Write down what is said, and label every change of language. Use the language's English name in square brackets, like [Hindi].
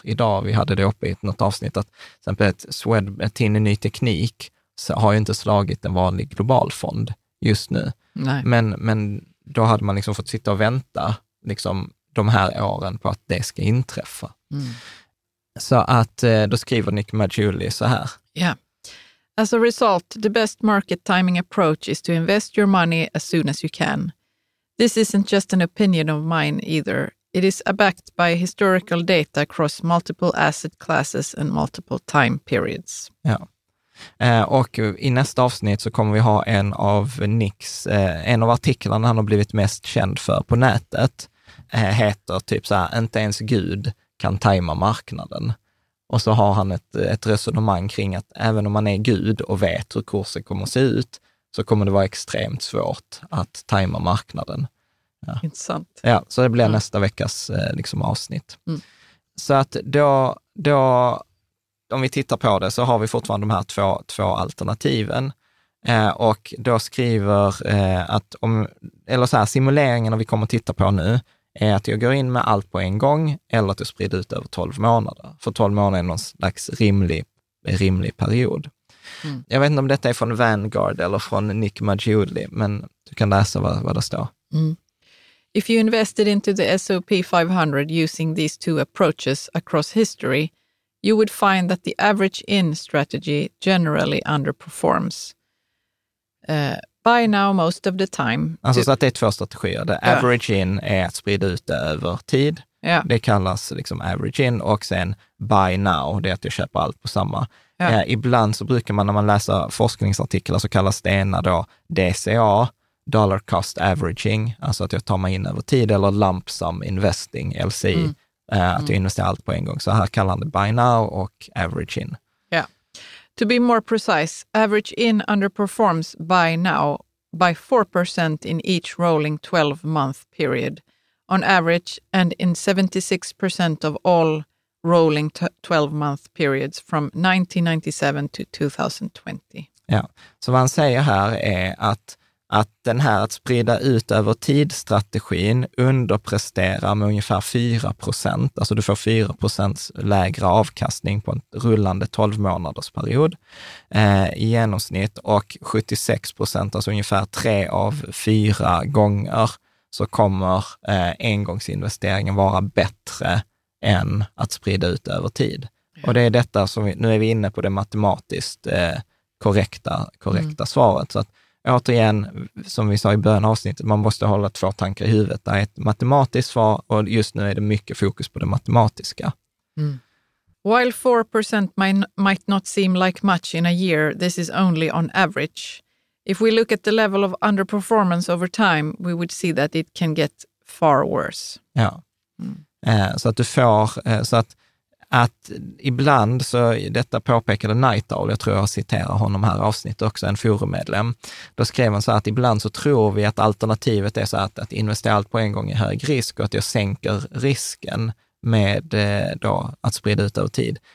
[Swedish] Idag, vi hade det uppe i något avsnitt, att till exempel Tinne Ny Teknik har ju inte slagit en vanlig global fond just nu. Nej. Men då hade man liksom fått sitta och vänta liksom de här åren på att det ska inträffa. Mm. Så att då skriver Nick Majuli så här. [English] Yeah. As a result, the best market timing approach is to invest your money as soon as you can. This isn't just an opinion of mine either. It is backed by historical data across multiple asset classes and multiple time periods. [Swedish] Ja. Och i nästa avsnitt så kommer vi ha en av Nicks, en av artiklarna han har blivit mest känd för på nätet, heter typ så här, inte ens Gud kan tajma marknaden. Och så har han ett resonemang kring att även om man är Gud och vet hur kursen kommer att se ut, så kommer det vara extremt svårt att tajma marknaden. Ja. Intressant. Ja, så det blir nästa veckas liksom, avsnitt. Mm. Så att då, om vi tittar på det, så har vi fortfarande de här två alternativen. Och då skriver att om, eller så här, simuleringarna vi kommer att titta på nu är att jag går in med allt på en gång eller att jag sprider ut över 12 månader. För 12 månader är någon slags rimlig period. Mm. Jag vet inte om detta är från Vanguard eller från Nick Maggioli, men du kan läsa vad det står. Mm. [English] If you invested into the S&P 500 using these two approaches across history, you would find that the average in strategy generally underperforms. By now most of the time. [Swedish] Alltså så att det är två strategier. The average in är att sprida ut över tid. [English] Yeah. [Swedish] Det kallas liksom average in, och sen buy now, det är att du köper allt på samma. [English] Yeah. [Swedish] Ibland så brukar man, när man läser forskningsartiklar, så kallas det ena då DCA, dollar cost averaging, alltså att jag tar mig in över tid, eller lump sum investing, LCI, att jag investerar allt på en gång. Så här kallar han det buy now och average in. [English] Yeah. To be more precise, average in underperforms buy now by 4% in each rolling 12-month period on average, and in 76% of all rolling 12-month periods from 1997 to 2020. [Swedish] Ja, så vad han säger här är att den här att sprida ut över tidsstrategin underpresterar med ungefär 4%. Alltså du får 4% lägre avkastning på en rullande 12-månadersperiod i genomsnitt, och 76%, alltså ungefär 3 av 4 gånger, så kommer engångsinvesteringen vara bättre än att sprida ut över tid. Ja. Och det är detta som vi, nu är vi inne på det matematiskt korrekta svaret. Så att återigen, som vi sa i början av avsnittet, man måste hålla två tankar i huvudet. Det är ett matematiskt svar, och just nu är det mycket fokus på det matematiska. Mm. [English] While 4% might not seem like much in a year, this is only on average. If we look at the level of underperformance over time, we would see that it can get far worse. [Swedish] Ja. Så att du får, så att ibland, så detta påpekade Night Owl, jag tror jag citerar honom här avsnittet också, en forummedlem, då skrev han så att ibland så tror vi att alternativet är så att investera allt på en gång i hög risk, och att jag sänker risken med då att sprida ut över tid.